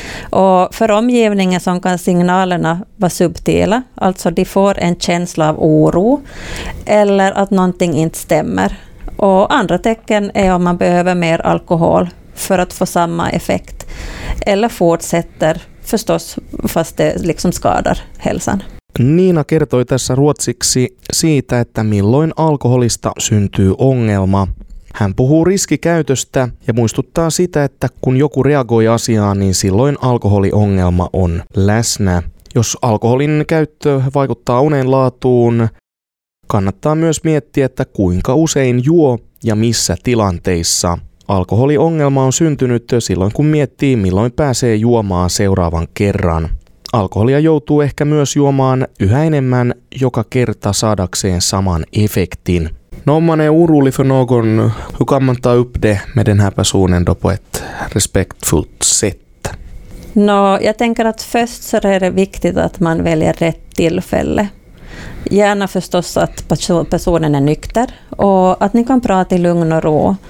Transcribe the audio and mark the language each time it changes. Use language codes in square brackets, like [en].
[sv] Och för omgivningen så kan signalerna vara subtila. Alltså de får en känsla av oro eller att någonting inte stämmer. Och andra tecken är om man behöver mer alkohol för att få samma effekt. Eller fortsätter förstås fast det liksom skadar hälsan. [fi] Nina kertoi tässä ruotsiksi siitä, että milloin alkoholista syntyy ongelma. Hän puhuu riskikäytöstä ja muistuttaa sitä, että kun joku reagoi asiaan, niin silloin alkoholiongelma on läsnä. Jos alkoholin käyttö vaikuttaa unen laatuun, kannattaa myös miettiä, että kuinka usein juo ja missä tilanteissa. Alkoholiongelma on syntynyt silloin, kun miettii, milloin pääsee juomaan seuraavan kerran. Alkoholia joutuu ehkä myös juomaan yhä enemmän joka kerta saadakseen saman efektin. [sv] No man är orolig för någon, hur kan man ta upp det med den här personen då på ett respektfullt sätt? No, jag tänker att först så är det viktigt att man väljer rätt tillfälle. Gärna förstås att personen är nykter och att ni kan prata i lugn och ro.